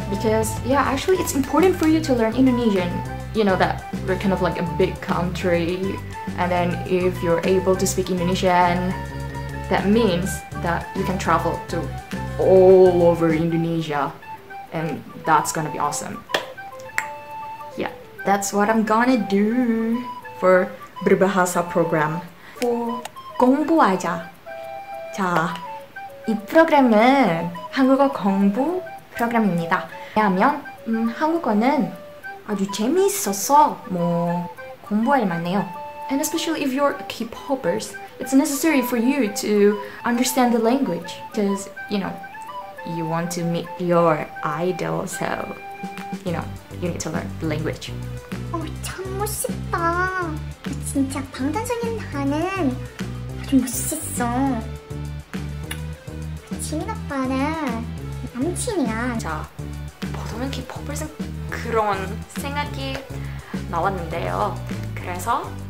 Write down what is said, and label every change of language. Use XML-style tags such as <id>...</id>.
<en>Because yeah, actually it's important for you to learn Indonesian. You know that we're kind of like a big country, and then if you're able to speak Indonesian, that means that you can travel to all over Indonesia, and that's gonna be awesome. Yeah, that's what I'm gonna do for berbahasa program.</en> <ko>For 공부하자. 자, 이 프로그램은 한국어 공부 프로그램입니다. 왜냐하면 한국어는 아주 재미있어서 뭐 공부할 만해요.</ko> <en>And especially if you're K-popers, it's necessary for you to understand the language. Because, you know, you want to meet your idol, so, you know, you need to learn the language.</en> <ko>Oh, 참 멋있다. 진짜 방탄소년단은 아주 멋있었어. 지민 오빠는 남친이야. 자, 보통은 K-popers은 그런 생각이 나왔는데요. 그래서</ko>